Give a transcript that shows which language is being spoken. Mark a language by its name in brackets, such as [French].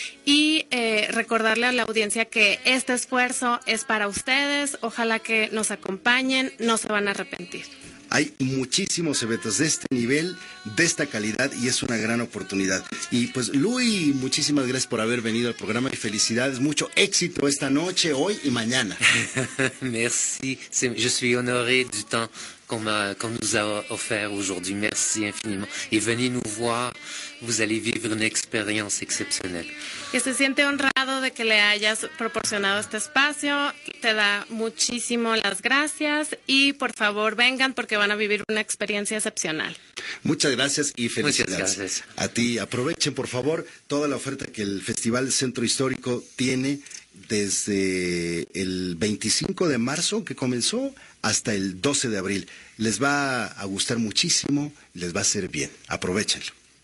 [Spanish] Y recordarle a la audiencia que este esfuerzo es para ustedes. Ojalá que nos acompañen, no se van a arrepentir. Hay muchísimos eventos de este nivel, de esta calidad, y es una gran oportunidad. Y pues, Luis, muchísimas gracias por haber venido al programa y felicidades, mucho éxito esta noche, hoy y mañana. [French] Merci, je suis honoré du temps qu'on nous a offert aujourd'hui. Merci infiniment. Et venez nous voir, vous allez vivre une expérience exceptionnelle. [Spanish] Que se siente honrado de que le hayas proporcionado este espacio. Te da muchísimo las gracias y por favor vengan porque van a vivir una experiencia excepcional. Muchas gracias y felicidades. Muchas gracias. A ti, aprovechen por favor toda la oferta que el Festival Centro Histórico tiene desde el 25 de marzo que comenzó hasta el 12 de abril. Les va a gustar muchísimo, les va a hacer bien. Aprovechenlo.